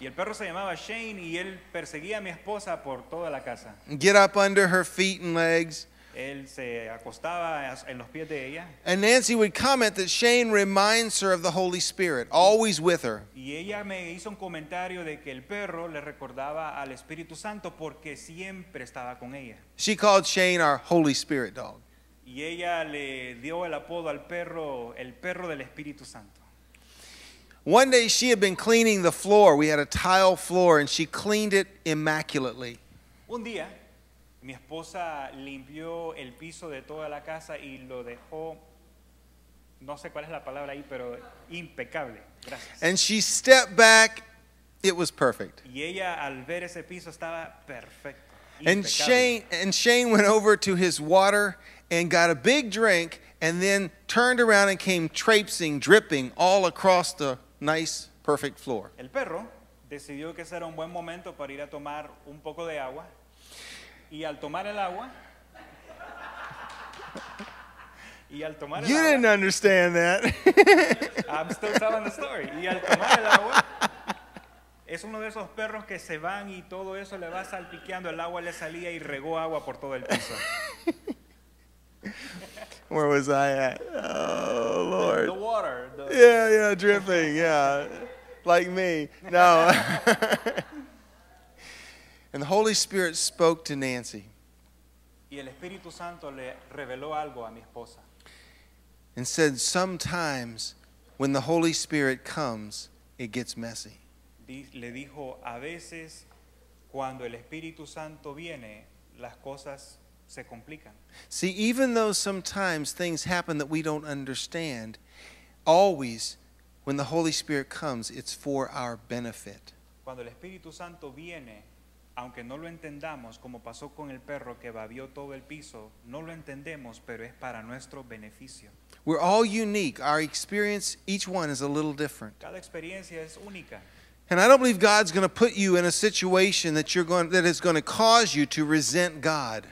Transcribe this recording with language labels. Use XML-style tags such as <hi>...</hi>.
<es>Y el perro se llamaba Shane y él perseguía a mi esposa por toda la casa.</es> <en>Get up under her feet and legs.</en> <es>Él se acostaba en los pies de ella.</es> <en>And Nancy would comment that Shane reminds her of the Holy Spirit, always with her.</en> <es>Y ella me hizo un comentario de que el perro le recordaba al Espíritu Santo porque siempre estaba con ella.</es> <en>She called Shane our Holy Spirit dog.</en> <es>Y ella le dio el apodo al perro, el perro del Espíritu Santo.</es> <en>One day she had been cleaning the floor. We had a tile floor and she cleaned it immaculately.</en> <es>Un día, mi esposa limpió el piso de toda la casa y lo dejó, no sé cuál es la palabra ahí, pero impecable. Gracias.</es> <en>And she stepped back. It was perfect.</en> <es>Y ella al ver ese piso estaba perfecto.</es> <en>And Shane went over to his water and got a big drink and then turned around and came traipsing, dripping all across the nice, perfect floor.</en> <es>El perro decidió que ese era un buen momento para ir a tomar un poco de agua. Y al tomar el agua... y al tomar el you agua,</es> <en>didn't understand that. I'm still telling the story.</en> <es>Y al tomar el agua... es uno de esos perros que se van y todo eso le va salpiqueando. El agua le salía y regó agua por todo el piso.</es> <en>Where was I at? Oh, Lord. The water. The... yeah, yeah, dripping, yeah. Like me. No. And the Holy Spirit spoke to Nancy.</en> <es>Y el Espíritu Santo le reveló algo a mi esposa.</es> <en>And said, sometimes when the Holy Spirit comes, it gets messy.</en> <es>Le dijo, a veces cuando el Espíritu Santo viene, las cosas se complican.</es> <en>See, even though sometimes things happen that we don't understand, always when the Holy Spirit comes, it's for our benefit.</en> <es>Cuando el Espíritu Santo viene, aunque no lo entendamos, como pasó con el perro que babió todo el piso, no lo entendemos, pero es para nuestro beneficio.</es> <en>We're all unique. Our experience, each one, is a little different.</en> <es>Cada experiencia es única.</es> <en>And I don't believe God's going to put you in a situation that you're going that is going to cause you to resent God.</en>